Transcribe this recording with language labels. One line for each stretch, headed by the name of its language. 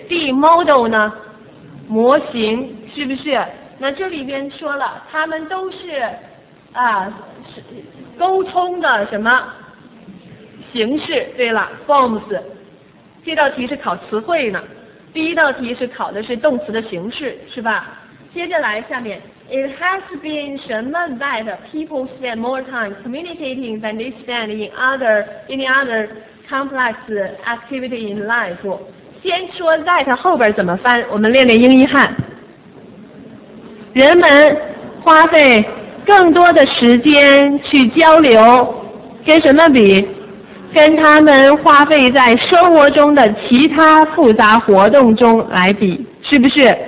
Chinese: D model 呢？模型是不是？那这里边说了，他们都是啊，沟通的什么形式？对了 ，forms。这道题是考词汇呢。第一道题是考的是动词的形式，是吧？接着来，下面
English: ，It has been
Chinese: 什么
English: that people spend more time communicating than they spend in other any other complex activity in life。
Chinese: 先说 that 后边怎么翻，我们练练英译汉。人们花费更多的时间去交流，跟什么比？跟他们花费在生活中的其他复杂活动中来比，是不是？